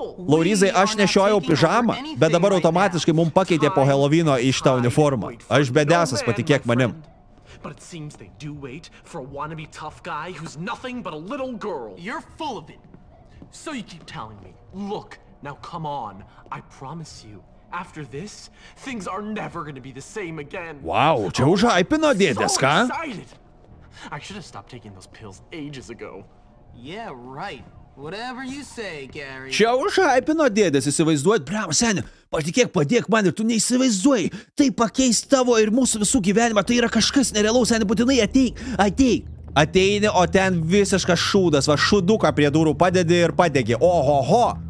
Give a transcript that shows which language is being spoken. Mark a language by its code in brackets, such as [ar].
[lt] Laurizai, aš nešiojau pižamą, bet dabar automatiškai mum pakeitė po Halloween'o į šitą uniformą. Aš bedesas, patikėk manim. [en] But it seems they do wait for a wannabe tough guy who's nothing but a little girl. You're full of it. So you keep telling me. Look. Now come on, I promise you, after this, things are never gonna be the same again. [lt] Wow, čia užhypino dėdės, ką? [en] I should have stopped taking those pills ages ago. Yeah, right. Whatever you say, Gary. [lt] Čia užhypino dėdės, įsivaizduojat, bram, seni, patikėk, padėk man ir tu neįsivaizduoji. Tai pakeis tavo ir mūsų visų gyvenimą, tai yra kažkas nerealaus, seni, būtinai ateik. Ateini, o ten visiškas šūdas, va šuduką prie durų padedi ir padegi, ohoho.